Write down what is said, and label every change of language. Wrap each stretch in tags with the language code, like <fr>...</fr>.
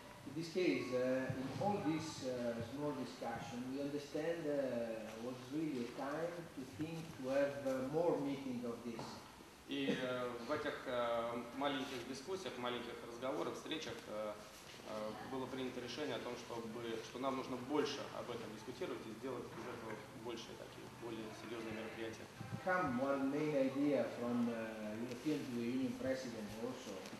<en>In this case, in all this small discussion, we understand what is really a time to think to have more meeting of this.</en> <ru>И в этих маленьких дискуссиях, маленьких разговорах, встречах было принято решение о том, что нам нужно больше об этом дискутировать и сделать из этого больше такие более серьезные мероприятия.</ru> <en>Come one main idea from European Union President also.</en>